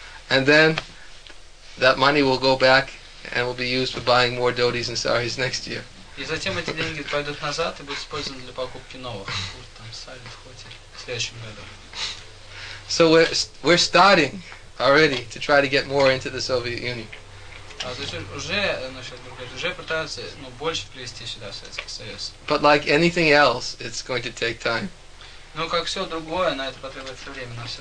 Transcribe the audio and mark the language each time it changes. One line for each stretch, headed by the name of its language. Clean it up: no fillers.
English: And then that money will go back and will be used for buying more dhotis and saris next year.
Russian: И затем эти деньги пойдут назад и будут использованы для покупки новых курт, там, сари, дхоти, в следующем году.
English: So we're starting already to try to get more into the Soviet Union.
Russian: Уже пытаются, ну, больше привести сюда в Советский Союз.
English: But like anything else, it's going to take time.
Russian: Ну, как все другое, на это потребуется время.